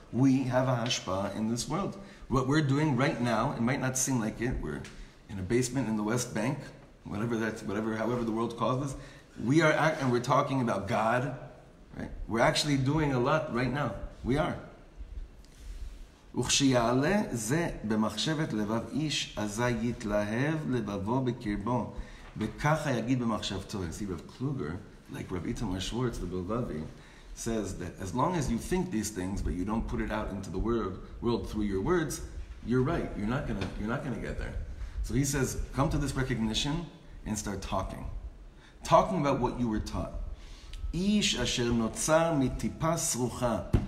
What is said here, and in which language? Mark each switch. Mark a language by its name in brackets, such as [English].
[English] We have a hashpa in this world. What we're doing right now, it might not seem like it, we're in a basement in the West Bank, however the world calls us, and we're talking about God, right? We're actually doing a lot right now. We are. [Hebrew] וכשיעלה זה במחשבת לבב איש, אזי יתלהב לבבו בקרבו, וככה יגיד במחשבתו. [English] See, Rav Kluger, like Rav Itamar Schwartz, the Bilvavi, says that as long as you think these things but you don't put it out into the world through your words, you're right. You're not gonna get there. So he says, come to this recognition and start talking. Talking about what you were taught. [Hebrew] Ish asher notzar mitipa srucha.